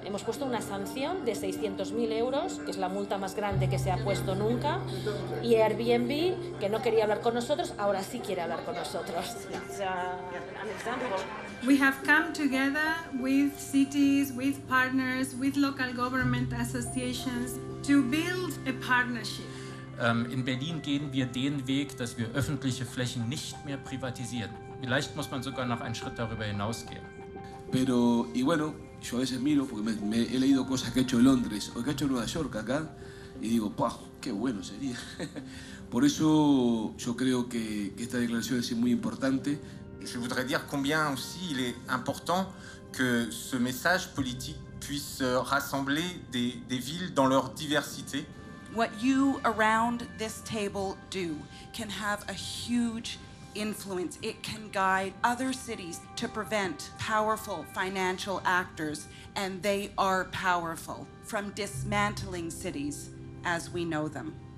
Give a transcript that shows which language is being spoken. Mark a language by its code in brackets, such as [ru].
[es] Hemos puesto una sanción de 600.000 euros, que es la multa más grande que se ha puesto nunca. Y Airbnb, que no quería hablar con nosotros, ahora sí quiere hablar con nosotros. [en] We have come together with cities, with partners, with local government associations to build a partnership. [de] In Berlin gehen wir den Weg, dass wir öffentliche Flächen nicht mehr privatisieren. Vielleicht muss man sogar noch einen Schritt darüber hinausgehen. [es] Pero y bueno, yo a veces miro porque me he leído cosas que ha hecho Londres o que ha hecho Nueva York acá y digo, ¡pah! Qué bueno sería. Por eso yo creo que esta declaración es muy importante. [fr] Je voudrais dire combien aussi il est important que ce message politique puisse rassembler des villes dans leur diversité. [en] What you around this table do can have a huge influence. It can guide other cities to prevent powerful financial actors, and they are powerful, from dismantling cities as we know them.